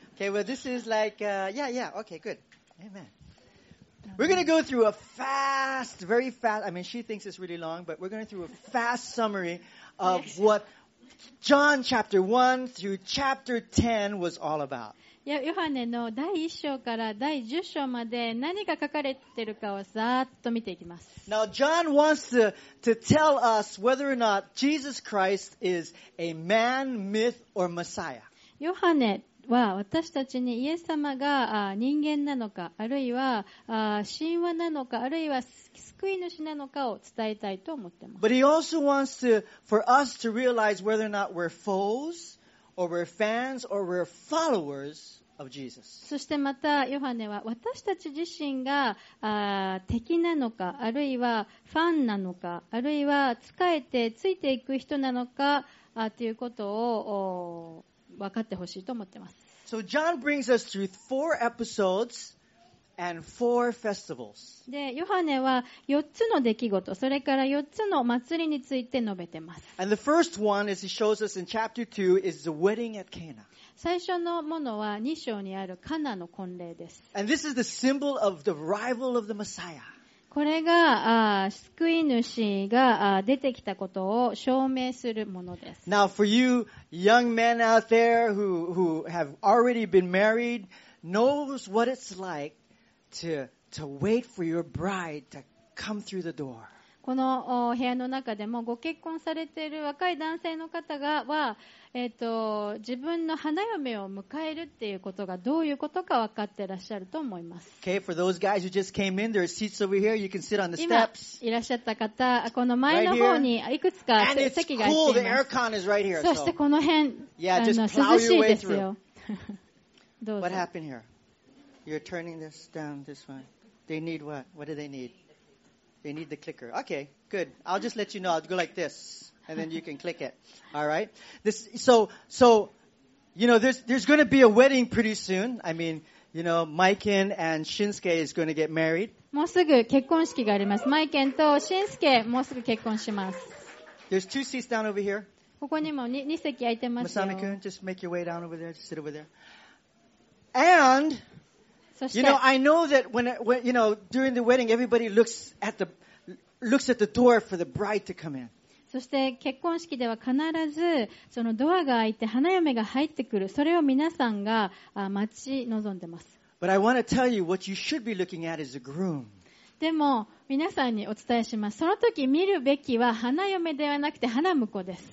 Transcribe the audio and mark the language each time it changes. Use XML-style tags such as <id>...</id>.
<en>Okay, well, this is like, yeah, okay, good. Amen. We're going to go through a fast, very fast, I mean, she thinks it's really long, but we're going through a fast summary of what John chapter 1 through chapter 10 was all about.</en> <ja>いや、ヨハネの第1章から第10章まで何が書かれてるかをざーっと見ていきます。</ja> <en>Now John wants to tell us whether or not Jesus Christ is a man, myth, or Messiah.</en> <ja>ヨハネは私たちにイエス様が人間なのか、あるいは神話なのか、あるいは救い主なのかを伝えたいと思ってます。</ja> <en>But he also wants for us to realize whether or not we're foes or we're fans or we're followers of Jesus.</en> <ja>そしてまたヨハネは私たち自身が敵なのか、あるいはファンなのか、あるいは仕えてついていく人なのかということを分かってほしいと思ってます。</ja> <en>So John brings us through four episodes and four festivals.</en> <ja>で、ヨハネは4つの出来事、それから4つの祭りについて述べてます。</ja> <en>And the first one, as he shows us in chapter 2, is the wedding at Cana.</en> <ja>最初のものは2章にあるカナの婚礼です。</ja> <en>And this is the symbol of the arrival of the Messiah.</en> <ja>これが救い主が出てきたことを証明するものです。</ja> <en>Now for you young men out there who have already been married, knows what it's like to wait for your bride to come through the door.</en> <ja>この部屋の中でもご結婚されている若い男性の方がは、自分の花嫁を迎えるっていうことがどういうことか分かってらっしゃると思います。</ja> <en>Okay, for those guys who just came in, there are seats over here. You can sit on the steps.</en> <ja>今いらっしゃった方、この前の方にいくつか席があります。 And it's cool. The aircon is right here. そしてこの辺、涼しいですよ。どうぞ。</ja> <en>What happened here? You're turning this down this way. They need what? What do they need? They need the clicker. Okay, good. I'll just let you know. I'll go like this, and then you can click it. All right. So, you know, there's going to be a wedding pretty soon. I mean, you know, Maiken and Shinsuke is going to get married.</en> <ja>もうすぐ結婚式があります。 Maiken と Shinsuke もうすぐ結婚します。</ja> <en>There's two seats down over here.</en> <ja>ここにも2席空いてますよ。</ja> <en>Masami-kun, just make your way down over there. Just sit over there. And. You know, I know that when you know, during the wedding, everybody looks at the door for the bride to come in.</en> <ja>そして結婚式では必ずそのドアが開いて花嫁が入ってくる。それを皆さんが待ち望んでます。</ja> <en>But I want to tell you what you should be looking at is a groom.</en> <ja>でも皆さんにお伝えします。その時見るべきは花嫁ではなくて花婿です。</ja>